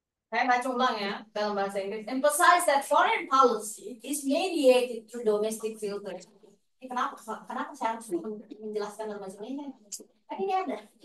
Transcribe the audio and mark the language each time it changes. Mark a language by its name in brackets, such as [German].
[Indonesian] Saya baca ulang ya dalam bahasa Inggris. [English] Emphasize that foreign policy is mediated through domestic filters. [Indonesian] Kenapa? Kenapa saya harus menjelaskan dalam bahasa Inggris? Tapi ini ada.